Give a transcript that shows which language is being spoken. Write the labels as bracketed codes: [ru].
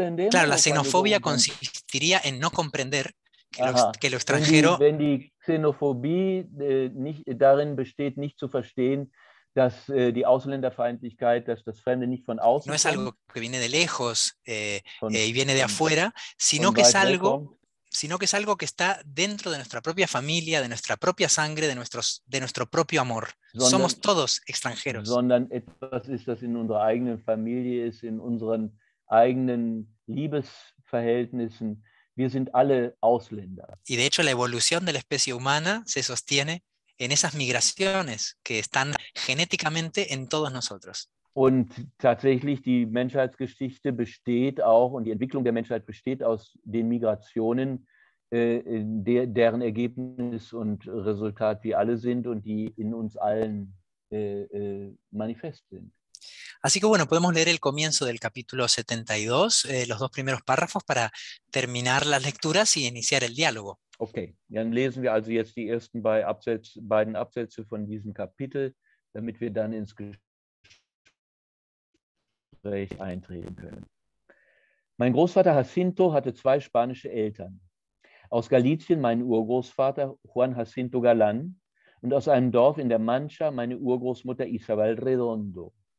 [es] Claro, la xenofobia consistiría en no comprender que lo extranjero... [de] Wenn die Xenophobie darin besteht, nicht zu verstehen, dass die Ausländerfeindlichkeit, dass das Fremde nicht von außen [es] no es algo que viene de lejos y viene de afuera, sino que es algo que está dentro de nuestra propia familia, de nuestra propia sangre, de nuestro propio amor. [de] Sondern, [es] somos todos extranjeros. [de] Sondern etwas ist, das in unserer eigenen Familie ist, in unseren eigenen Liebesverhältnissen. Wir sind alle Ausländer. [es] Y de hecho la evolución de la especie humana se sostiene en esas migraciones que están genéticamente en todos nosotros. [de] Und tatsächlich die Menschheitsgeschichte besteht auch und die Entwicklung der Menschheit besteht aus den Migrationen, deren Ergebnis und Resultat wir alle sind und die in uns allen manifest sind. [es] Así que bueno, podemos leer el comienzo del capítulo 72, los dos primeros párrafos para terminar las lecturas y iniciar el diálogo. [de] Okay, dann lesen wir also jetzt die ersten beiden Absätze von diesem Kapitel, damit wir dann ins Gespräch eintreten können. Mein Großvater Jacinto hatte zwei spanische Eltern. Aus Galicien mein Urgroßvater Juan Jacinto Galán und aus einem Dorf in der Mancha meine Urgroßmutter Isabel Redondo.